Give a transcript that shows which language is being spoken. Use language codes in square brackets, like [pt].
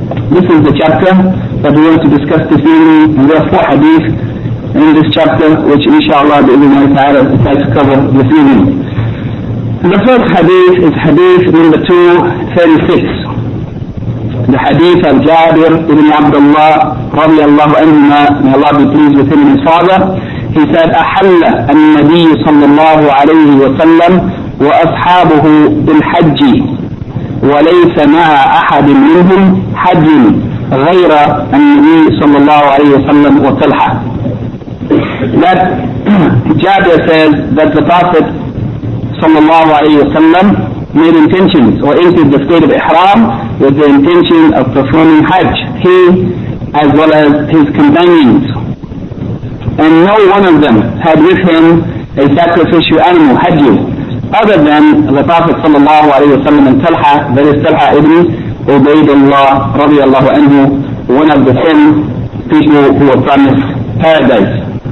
[en] This is the chapter that we want to discuss this evening, and there are four hadith in this chapter, which inshallah the Ibn Taala is going to cover this evening. The first hadith is hadith number 236. The hadith of Jabir ibn Abdullah radiallahu anhu, may Allah be pleased with him and his father. [ar] He said, أحل النبي صلى الله عليه وسلم وأصحابه بالحج وليس مع أحد منهم حج غير النبي صلى الله عليه وسلم وطلحة. [en] That Jabir says that the Prophet sallallahu alayhi wa sallam made intentions or entered the state of Ihram with the intention of performing Hajj, he as well as his companions. And no one of them had with him a sacrificial animal, Hajj, other than the Prophet sallallahu alayhi wa sallam and Talha, that is Talha ibn Ubaydullah radiallahu anhu, one of the 10 people who were promised paradise.